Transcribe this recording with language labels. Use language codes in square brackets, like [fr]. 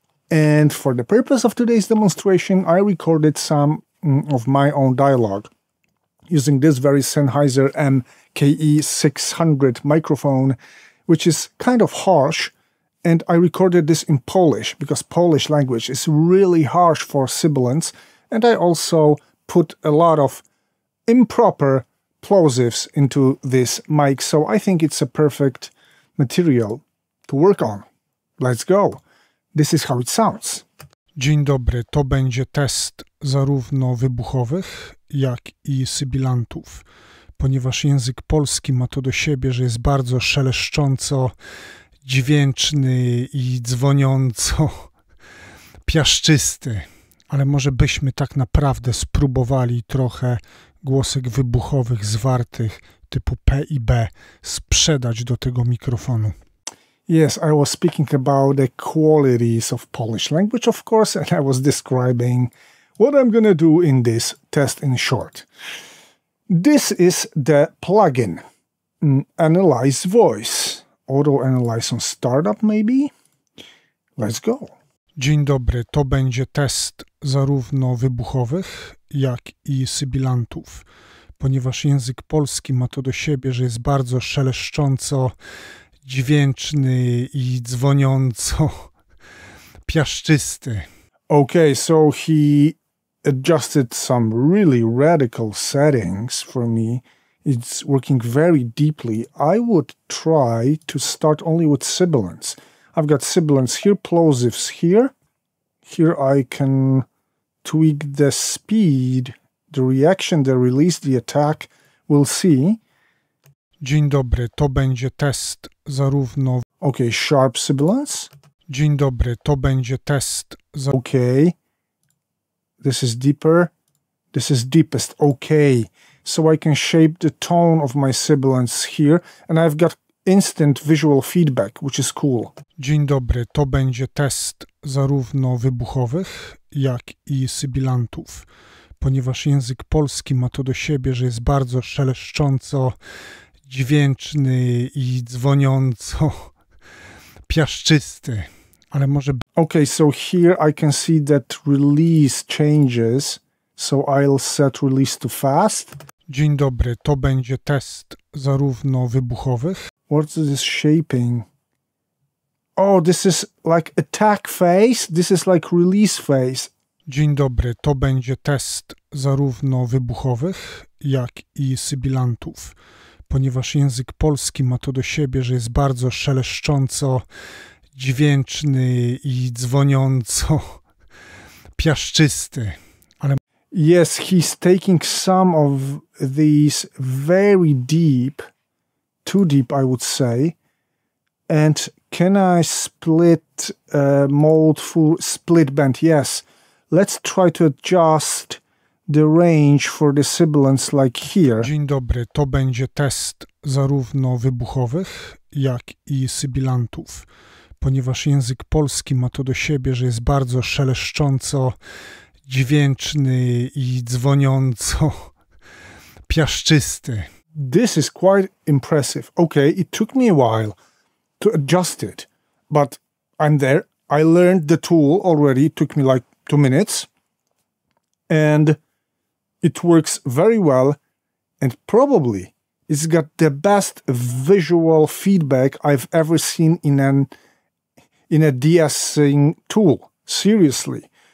[en] And for the purpose of today's demonstration, I recorded some of my own dialogue using this very Sennheiser MKE-600 microphone, which is kind of harsh, and I recorded this in Polish, because Polish language is really harsh for sibilants, and I also put a lot of improper plosives into this mic, so I think it's a perfect material to work on. Let's go! This is how it sounds. [pl] Dzień dobry, to będzie test zarówno wybuchowych, jak i sybilantów. Ponieważ język polski ma to do siebie, że jest bardzo szeleszcząco dźwięczny i dzwoniąco piaszczysty. Ale może byśmy tak naprawdę spróbowali trochę głosek wybuchowych, zwartych, typu P i B, sprzedać do tego mikrofonu. [en] Yes, I was speaking about the qualities of Polish language, of course, and I was describing what I'm gonna do in this test in short. This is the plugin. Analyze voice. Auto-analyze on startup, maybe? Let's go. [pl] Dzień dobry, to będzie test zarówno wybuchowych, jak i sybilantów. Ponieważ język polski ma to do siebie, że jest bardzo szeleszcząco dźwięczny i dzwoniąco piaszczysty. [en] Okay, so he adjusted some really radical settings for me. It's working very deeply. I would try to start only with sibilants. I've got sibilants here, plosives here. Here I can tweak the speed, the reaction, the release, the attack. We'll see. [pl] Dzień dobry, to będzie test zarówno... [en] Okay, sharp sibilants. [pl] Dzień dobry, to będzie test... [en] Okay. This is deeper. This is deepest. Okay. So I can shape the tone of my sibilants here. And I've got instant visual feedback, which is cool. [pl] Dzień dobry, to będzie test zarówno wybuchowych, jak i sybilantów. Ponieważ język polski ma to do siebie, że jest bardzo szeleszcząco dźwięczny i dzwoniąco piaszczysty, ale może... [en] Okay, so here I can see that release changes, so I'll set release to fast. [pl] Dzień dobry, to będzie test zarówno wybuchowych. [en] What's this shaping? Oh, this is like attack phase, this is like release phase. [pl] Dzień dobry, to będzie test zarówno wybuchowych, jak i sybilantów. Ponieważ język polski ma to do siebie, że jest bardzo szeleszcząco dźwięczny i dzwoniąco piaszczysty. Ale... [en] Yes, he's taking some of these very deep too deep, I would say. And can I split mode for split band? Yes. Let's try to adjust the range for the sibilance like here. [pl] Dzień dobry. To będzie test zarówno wybuchowych, jak i sybilantów. Ponieważ język polski ma to do siebie, że jest bardzo szeleszcząco dźwięczny i dzwoniąco piaszczysty. [en] This is quite impressive. Okay, it took me a while to adjust it, but I'm there. I learned the tool already. It took me like 2 minutes. And it works very well. And probably it's got the best visual feedback I've ever seen in a de-essing tool. Seriously.